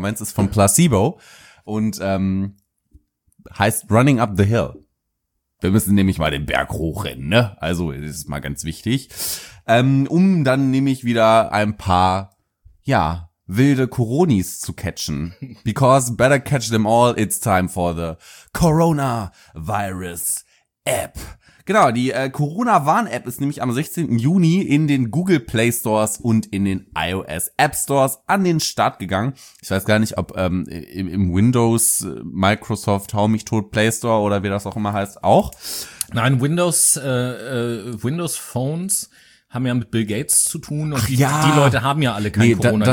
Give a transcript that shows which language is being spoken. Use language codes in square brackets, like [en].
[de] Meins ist von Placebo und heißt Running Up the Hill. Wir müssen nämlich mal den Berg hochrennen, ne? Also, das ist mal ganz wichtig. Um dann nämlich wieder ein paar, ja, wilde Coronis zu catchen. [en] Because better catch them all, it's time for the Coronavirus-App. [de] Genau, die Corona-Warn-App ist nämlich am 16. Juni in den Google Play Stores und in den iOS App Stores an den Start gegangen. Ich weiß gar nicht, ob im Windows, Microsoft, hau mich tot, Play Store oder wie das auch immer heißt, auch. Nein, Windows Phones haben ja mit Bill Gates zu tun und die Leute haben ja alle kein Corona.